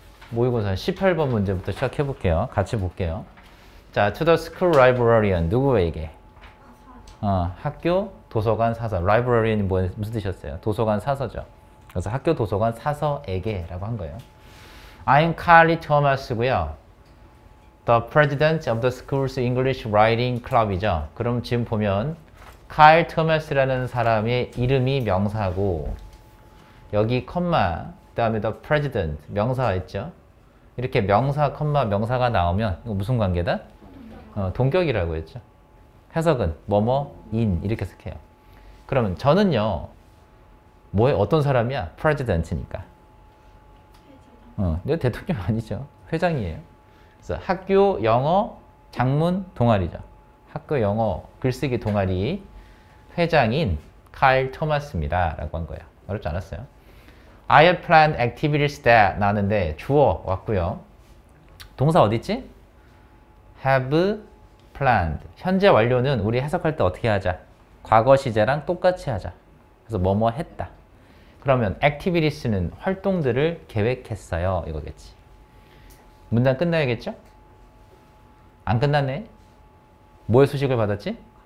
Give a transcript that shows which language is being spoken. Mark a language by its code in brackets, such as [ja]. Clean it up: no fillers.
[ko] 모의고사 18번 문제부터 시작해볼게요. 같이 볼게요. [en] 자, to the school librarian, 누구에게? [ko] 학교, 도서관, 사서. Librarian이 무슨 뜻이었어요? 도서관, 사서죠. 그래서 학교, 도서관, 사서에게라고 한 거예요. [en] I'm Carly Thomas고요. The president of the school's English writing club이죠. [ko] 그럼 지금 보면 Carl Thomas라는 사람의 이름이 명사고 여기 콤마, 그다음에 the president 명사가 있죠. 이렇게 명사, 콤마, 명사가 나오면 이거 무슨 관계다? 동격이라고 했죠. 해석은 뭐뭐인 이렇게 해석해요. 그러면 저는요 뭐에 어떤 사람이야? President니까. 내 대통령 아니죠. 회장이에요. 그래서 학교 영어 작문 동아리죠. 학교 영어 글쓰기 동아리 회장인 칼 토마스입니다라고 한 거예요. 어렵지 않았어요. [en] I have planned activities that 나왔는데 주어 왔고요. [ko] 동사 어딨지? Have planned. 현재 완료는 우리 해석할 때 어떻게 하자? 과거 시제랑 똑같이 하자. 그래서 뭐뭐 했다. 그러면 activities는 활동들을 계획했어요. 이거겠지. 문장 끝나야겠죠? 안 끝났네. 뭐의 수식을 받았지?